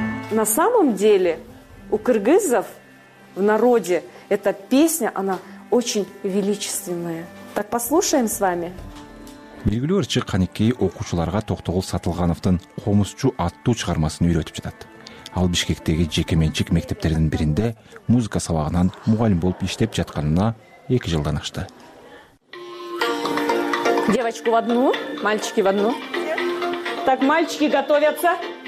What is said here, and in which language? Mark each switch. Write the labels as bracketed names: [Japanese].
[Russian] На самом деле у кыргызов в народе эта песня, она очень величественная. Так послушаем с вами. [Kyrgyz] Белгилүү ырчы Каныкей окуучуларга Токтогул Сатылгановдун Комузчу аттуу чыгармасын үйрөтүп жатат. Ал Бишкектеги жекеменчик мектептердин биринде музыка сабагынан мугалим болуп иштеп жатканына 2 жылдан ашты. [Russian] Девочку в одну, мальчики в одну. Так, мальчики готовятся.